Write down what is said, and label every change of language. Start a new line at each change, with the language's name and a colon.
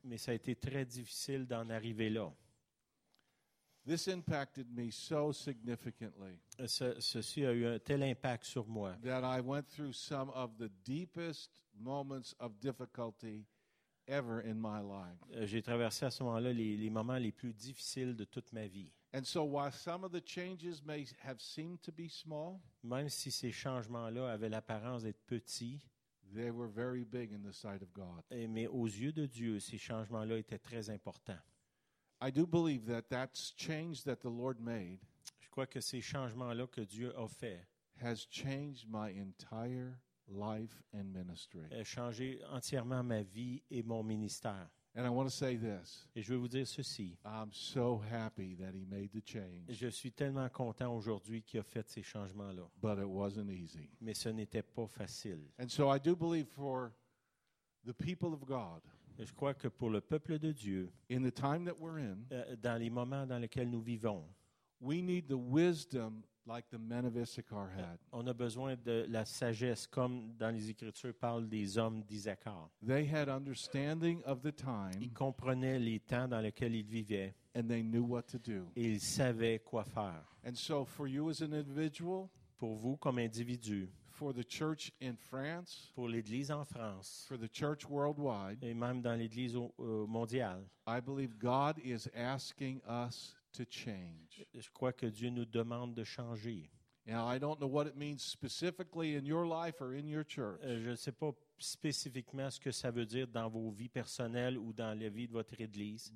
French: Mais ça a été très difficile d'en arriver là.
English: This impacted me so significantly.
French: Ceci a eu un tel impact sur moi.
English: That I went through some of the deepest moments of difficulty ever in my life.
French: J'ai traversé à ce moment-là les moments les plus difficiles de toute ma vie.
English: And so while some of the changes may have seemed to be small,
French: même si ces changements-là avaient l'apparence d'être petits,
English: they were very big in the sight of God.
French: Mais aux yeux de Dieu, ces changements-là étaient très importants.
English: I do believe that that change that the Lord made,
French: je crois que ces changements-là que Dieu a fait,
English: has changed my entire life and ministry.
French: A changé entièrement ma vie et mon ministère.
English: And I want to say this.
French: Et je veux vous dire ceci.
English: I'm so happy that he made the change.
French: Je suis tellement content aujourd'hui qu'il a fait ces changements-là.
English: But it wasn't easy.
French: Mais ce n'était pas facile.
English: And so I do believe for the people of God.
French: Et je crois que pour le peuple de Dieu.
English: In the time that we're in.
French: Dans les moments dans lesquels nous vivons.
English: We need the wisdom like the men of Issachar had.
French: On a besoin de la sagesse comme dans les Écritures parlent des hommes d'Issachar.
English: They had understanding of the time.
French: Ils comprenaient les temps dans lesquels ils vivaient.
English: And they knew what to do.
French: Et ils savaient quoi faire.
English: And so for you as an individual,
French: pour vous comme individu,
English: for the church in France,
French: pour l'Église en France,
English: for the church worldwide,
French: et même dans l'Église mondiale,
English: I believe God is asking us to change.
French: Je crois que Dieu nous demande de changer.
English: Now, I don't know what it means specifically in your life or in your church.
French: Je ne sais pas spécifiquement ce que ça veut dire dans vos vies personnelles ou dans la vie de votre église.